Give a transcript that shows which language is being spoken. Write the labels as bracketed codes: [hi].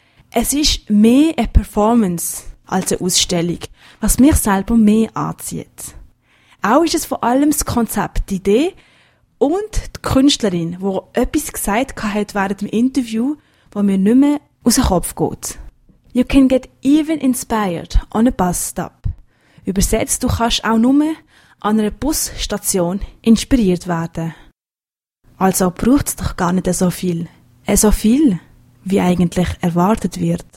[de] Es ist mehr eine Performance als eine Ausstellung, was mich selber mehr anzieht. Auch ist es vor allem das Konzept, die Idee und die Künstlerin, die etwas gesagt hat während dem Interview, wo mir nicht mehr aus dem Kopf geht. [en] You can get even inspired on a bus stop. [de] Übersetzt, du kannst auch nur an einer Busstation inspiriert werden. Also braucht es doch gar nicht so viel. So viel, wie eigentlich erwartet wird.